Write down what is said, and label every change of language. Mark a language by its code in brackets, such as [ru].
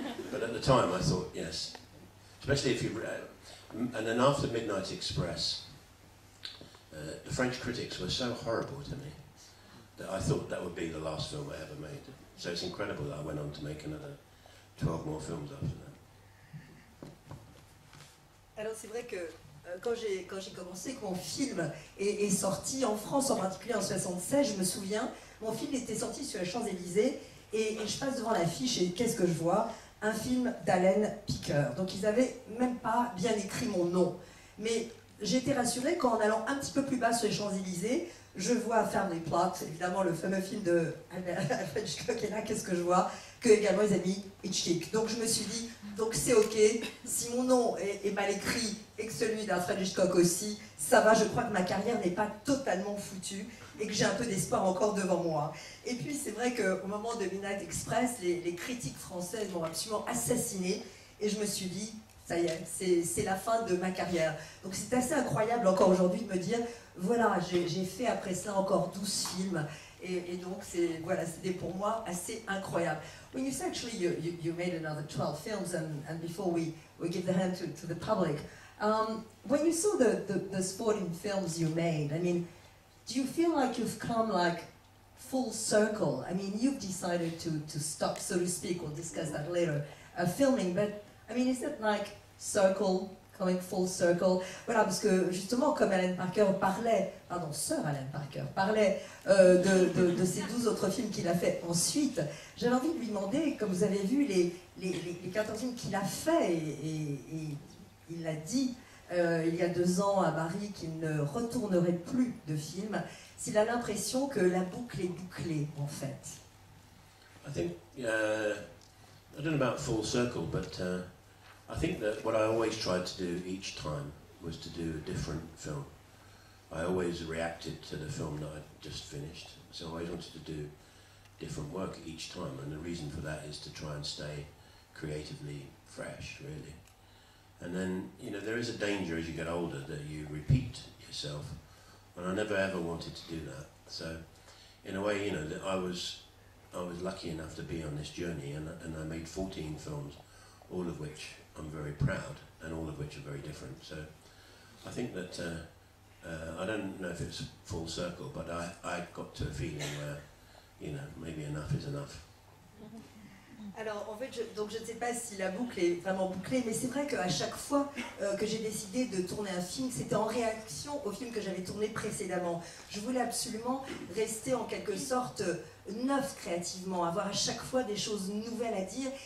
[en] But at the time, I thought, yes. Especially if you... And then after Midnight Express, the French critics were so horrible to me that I thought that would be the last film I ever made. So it's incredible that I went on to make another 12 more films after that. [fr] Alors c'est vrai que quand j'ai commencé, que mon film est sorti en France, en particulier en 76, je me souviens, mon film était sorti sur la Champs-Élysées et je passe devant l'affiche et qu'est-ce que je vois? Un film d'Alan Parker. Donc ils n'avaient même pas bien écrit mon nom. Mais j'ai été rassurée quand en allant un petit peu plus bas sur les Champs-Élysées, je vois Family Plot, évidemment le fameux film de Alfred Hitchcock, et là qu'est-ce que je vois? Que également ils ont mis Hitchcock. Donc je me suis dit, Donc c'est OK. Si mon nom est mal écrit et que celui d'Alfred Hitchcock aussi, ça va, je crois que ma carrière n'est pas totalement foutue et que j'ai un peu d'espoir encore devant moi. Et puis c'est vrai qu'au moment de Midnight Express, les critiques françaises m'ont absolument assassinée et je me suis dit, ça y est, c'est la fin de ma carrière. Donc c'est assez incroyable encore aujourd'hui de me dire, voilà, j'ai fait après cela encore 12 films. Et donc, c'est, voilà, c'était pour moi assez incroyable. [en] When you say actually you made another 12 films, and before we give the hand to the public, when you saw the sporting films you made, I mean, do you feel like you've come like full circle? I mean, you've decided to stop, so to speak, we'll discuss that later, filming, but I mean, is that like circle? Coming full circle. [fr] Voilà, parce que justement, comme Alan Parker parlait, pardon, sœur Alan Parker, parlait de ces 12 autres films qu'il a fait ensuite, j'avais envie de lui demander, comme vous avez vu, les 14 films qu'il a fait, et il l'a dit il y a 2 ans à Barry qu'il ne retournerait plus de films, s'il a l'impression que la boucle est bouclée, en fait. Je pense, je ne sais pas full circle, mais. [en] I think that what I always tried to do each time was to do a different film. I always reacted to the film that I'd just finished, so I always wanted to do different work each time, and the reason for that is to try and stay creatively fresh, really. And then, you know, there is a danger as you get older that you repeat yourself, and I never ever wanted to do that. So, in a way, you know, I was lucky enough to be on this journey, and I made 14 films, all of which I'm very proud, and all of which are very different. So I think that, I don't know if it's full circle, but I got to a feeling where, you know, maybe enough is enough. [fr] Alors, en fait, je ne sais pas si la boucle est vraiment bouclée, mais c'est vrai qu'à chaque fois que j'ai décidé de tourner un film, c'était en réaction au film que j'avais tourné précédemment. Je voulais absolument rester en quelque sorte neuf créativement, avoir à chaque fois des choses nouvelles à dire.